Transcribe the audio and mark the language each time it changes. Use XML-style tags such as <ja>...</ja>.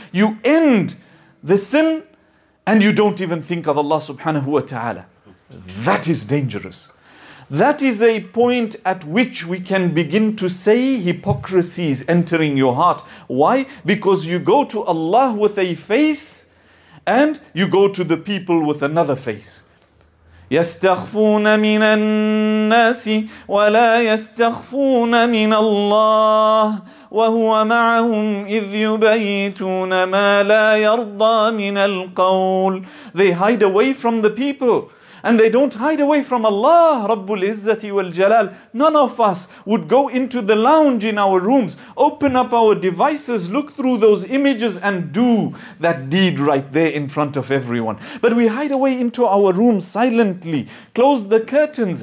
<en>You end the sin and you don't even think of Allah subhanahu wa ta'ala. That is dangerous. That is a point at which we can begin to say hypocrisy is entering your heart. Why? Because you go to Allah with a face and you go to the people with another face.</en> <ar>يَسْتَخْفُونَ مِنَ النَّاسِ وَلَا يَسْتَخْفُونَ مِنَ اللَّهِ وَهُوَ مَعَهُمْ إِذْ يُبَيِّتُونَ مَا لَا يَرْضَى مِنَ الْقَوْلِ</ar> <en>They hide away from the people. And they don't hide away from Allah, Rabbul Izzati wal Jalal. None of us would go into the lounge in our rooms, open up our devices, look through those images and do that deed right there in front of everyone. But we hide away into our room silently, close the curtains.</en>